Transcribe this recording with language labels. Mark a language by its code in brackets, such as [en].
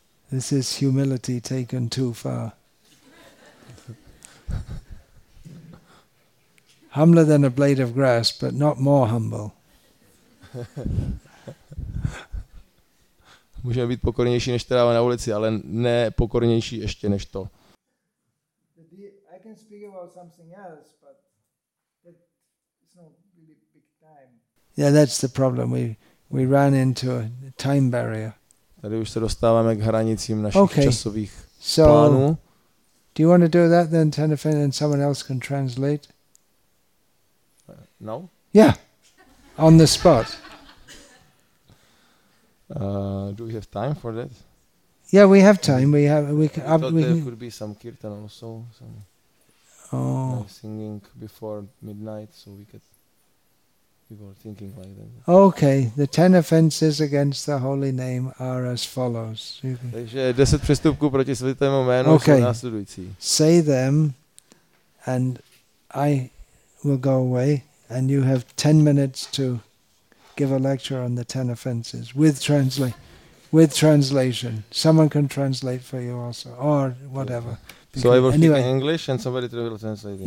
[en] This is humility taken too far. Humbler than a blade of grass, but not more humble. [cs] Můžeme být pokornější než tráva na ulici, ale ne pokornější ještě než to. [en] I can speak about something else, but it's not really big time. Yeah, that's the problem. We ran into a time barrier. [cs] Tady už se dostáváme k hranicím našich časových plánů. [en] Do you want to do that then, Tenefin, and someone else can translate? No? Yeah, on the spot. Do we have time for that? Yeah, we have time. We can. Could be some kirtan also, some singing before midnight, so we could. People thinking like that. Okay, the 10 offenses against the holy name are as follows. [cs] Takže 10 přestupků proti svatému jménu jsou následující. [en] Say them, and I will go away. And you have 10 minutes to give a lecture on the 10 offenses with translation. Someone can translate for you also, or whatever. So I will speak in English and somebody will translate it.